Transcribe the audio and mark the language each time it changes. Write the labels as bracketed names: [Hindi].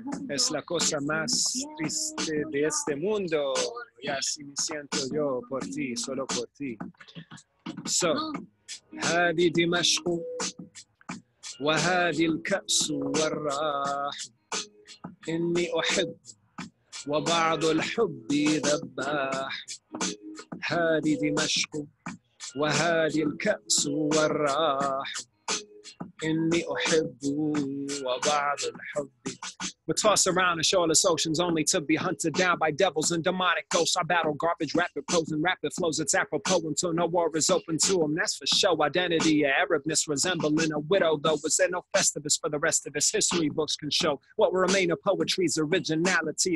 [Spanish] Es la cosa más triste de este mundo. Y así me siento yo por ti, solo por ti. [Arabic] So, هذه دمشق وهذه الكأس والراح إني أحب وبعض الحب ذباح هذه دمشق وهذه الكأس والراح إني أحب وبعض الحب. [English] But toss around in shoreless oceans only to be hunted down by devils and demonic ghosts. I battle garbage, rapid posing, rapid flows. It's apropos until no war is open to them. That's for show. Identity, Arabness resembling a widow, though. Was there no festivus for the rest of us? History books can show what will remain of poetry's originality.